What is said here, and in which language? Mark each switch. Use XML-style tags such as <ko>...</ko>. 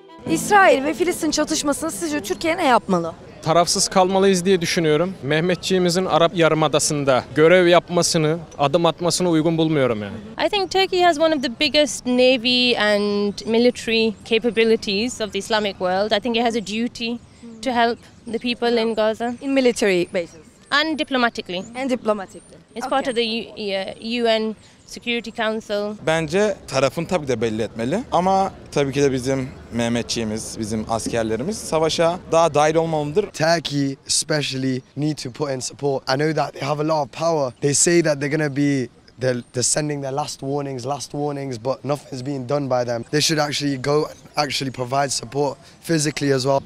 <tr>İsrail ve Filistin çatışmasını sizce Türkiye ne yapmalı? Tarafsız kalmalıyız diye düşünüyorum. Mehmetçiğimizin Arap Yarımadası'nda görev yapmasını, adım atmasını uygun bulmuyorum yani.</tr> <en>I think Turkey has one of the biggest navy and military capabilities of the Islamic world. I think it has a duty to help the people in Gaza. In military bases. And diplomatically. And diplomatically. It's okay. Part of the UN Security Council.</en> <tr>Bence tarafın tabii de belli etmeli. Ama tabii ki de bizim Mehmetçiğimiz, bizim askerlerimiz savaşa daha dahil olmalıdır.</tr> <en>Turkey especially need to put in support. I know that they have a lot of power. They say that they're gonna be they're sending their last warnings, but nothing's being done by them. They should actually go and actually provide support physically as well.</en>